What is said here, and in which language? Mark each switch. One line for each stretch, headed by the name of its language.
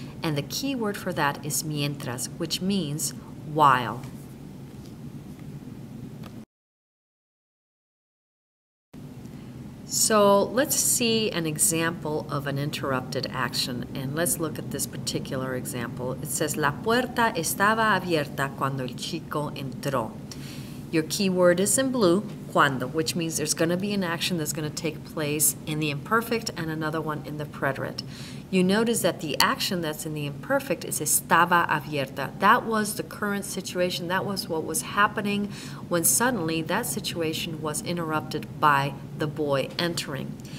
English: And the key word for that is mientras, which means while. So let's see an example of an interrupted action, and let's look at this particular example. It says,
Spanish: la puerta estaba abierta cuando el chico entró.
English: Your keyword is in blue, cuando, which means there's going to be an action that's going to take place in the imperfect and another one in the preterite. You notice that the action that's in the imperfect is
Spanish: estaba abierta.
English: That was the current situation. That was what was happening when suddenly that situation was interrupted by the boy entering.